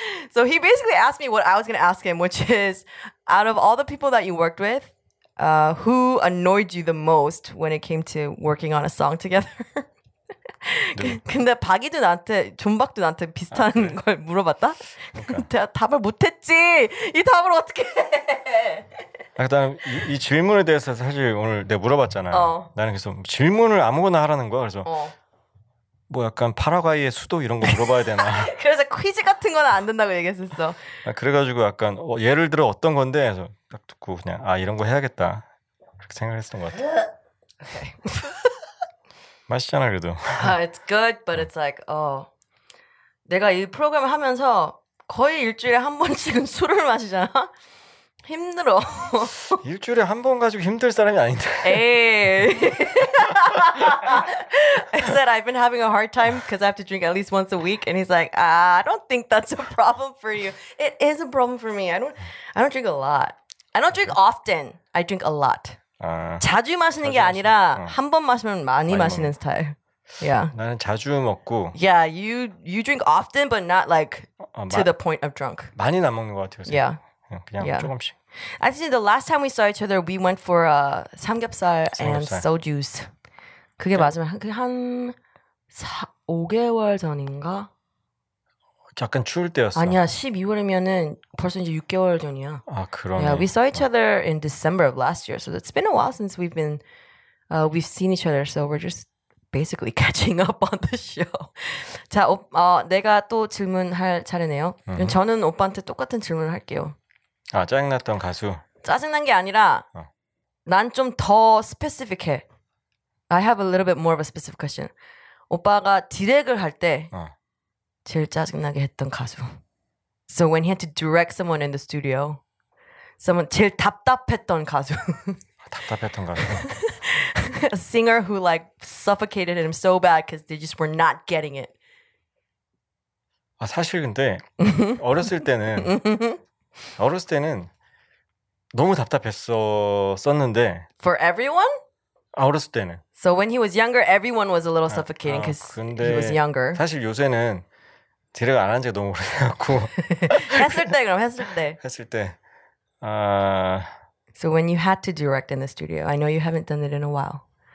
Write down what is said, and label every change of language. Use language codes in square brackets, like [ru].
[en] So he basically asked me what I was going to ask him, which is, out of all the people that you worked with, who annoyed you the most when it came to working on a song together? [ko] 근데 박이도 나한테 존박도 나한테 비슷한 아, 그래. 걸 물어봤다. 그러니까. 답을 못했지. 이 답을 어떻게? 아, 그다음 이 질문에 대해서 사실 오늘 내가 물어봤잖아. 어. 나는 그래서 질문을 아무거나 하라는 거야. 그래서 뭐 약간 파라과이의 수도 이런 거 물어봐야 되나? 그래서 퀴즈 같은 거는 안 된다고 얘기했었어. 아, 그래가지고 약간 예를 들어 어떤 건데 해서 딱 듣고 그냥 아 이런 거 해야겠다 그렇게 생각했던 것 같아. 맛있잖아 그래도. [en] It's good, but it's like, [ko] 내가 이 프로그램을 하면서 거의 일주일에 한 번씩은 술을 마시잖아. 힘들어. 일주일에 한 번 가지고 힘들 사람이 아닌데. 에이. [en] I said I've been having a hard time because I have to drink at least once a week, and he's like, I don't think that's a problem for you. It is a problem for me. I don't drink a lot. I don't drink often. I drink a lot. [ko] 아, 자주 마시는 자주 게 아니라 한 번 마시면 많이 마시는 스타일. [en] Yeah. [ko] 나는 자주 먹고. [en] Yeah, you drink often, but not like to the point of drunk. [ko] 많이 안 먹는 것 같아요. [en] Yeah. [ko] 그냥 yeah. 조금씩. [en] Actually, the last time we saw each other, we went for 삼겹살 and sojus. [ko] 그게 마지막 한 5개월 전인가? 약간 추울 때였어. 아니야, 12월이면은 벌써 이제 6개월 전이야. 아, 그러네. [en] Yeah, we saw each other in December of last year, so it's been a while since we've seen each other. So we're just basically catching up on the show. [ko] 자, 내가 또 질문할 차례네요. 그럼 저는 오빠한테 똑같은 질문을 할게요. 아, 짜증났던 가수. 짜증난 게 아니라 난 좀 더 specific해. [en] I have a little bit more of a specific question. [ko] 오빠가 디렉을 할 때. 제일 짜증나게 했던 가수. [en] So when he had to direct someone in the studio, someone [ko] 제일 답답했던 가수. 답답했던 가수. [en] A singer who like suffocated him so bad because they just were not getting it. [ko] 아 사실 근데 어렸을 때는 어렸을 때는 너무 답답했었는데 [en] For everyone? [ko] 아, 어렸을 때는 [en] So when he was younger, everyone was a little suffocating because 아, 아, he was younger. [ko] 사실 요새는 디렉 안 한 지 너무 오래돼갖고 했을 때 그럼 했을 때 했을 때 아... [en] So when you had to direct in the studio, I know you haven't done it in a while.